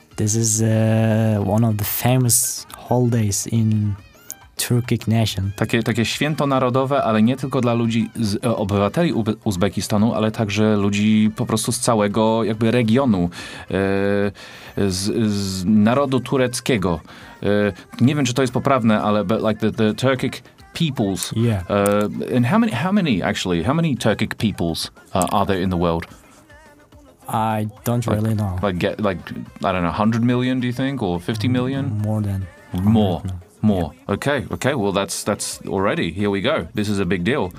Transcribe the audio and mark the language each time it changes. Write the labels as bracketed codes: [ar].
[en] This is one of the famous holidays in Turkic nation. [pl] Takie święto narodowe, ale nie tylko dla ludzi z obywateli Uzbekistanu, ale także ludzi po prostu z całego jakby regionu z narodu tureckiego. Nie wiem, czy to jest poprawne, ale [en] but like the Turkic peoples. Yeah. And how many Turkic peoples are there in the world? I don't really know. I don't know, 100 million, do you think, or 50 million? More than. More. More. Yeah. Okay. Well, that's already. Here we go. This is a big deal.